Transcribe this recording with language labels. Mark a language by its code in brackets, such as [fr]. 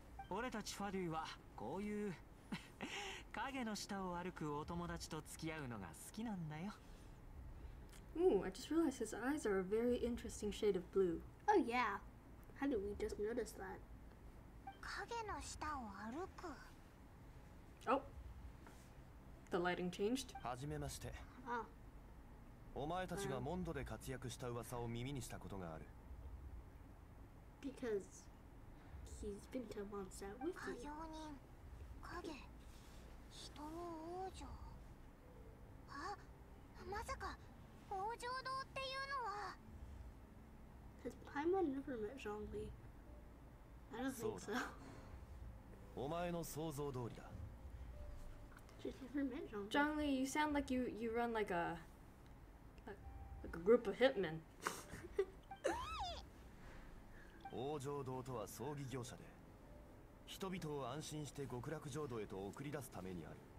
[ja] 俺たちファデュイはこういう影の下を歩くお友達と付き合うのが好きなんだよ。 [en] Ooh, I just realized his eyes are a very interesting shade of blue. Oh yeah, how did we just notice that? [ja] 影の下を歩く。 [en] Oh, the lighting changed. [ja] はじめまして。 [en] Oh. [ja] お前たちがモンドで活躍した噂を耳にしたことがある。 [en] Because. He's been to Monster with you. [ja] 家業人、影、人の王女。あ、まさか王女堂っていうのは。 [en] Has Paimon never met Zhongli? I don't think so. [ja] お前の想像通りだ。 [en] She's never met Zhongli. Zhongli, you sound like you run like a group of hitmen. [ja] 王城堂とは葬儀業者で、人々を安心して極楽浄土へと送り出すためにある。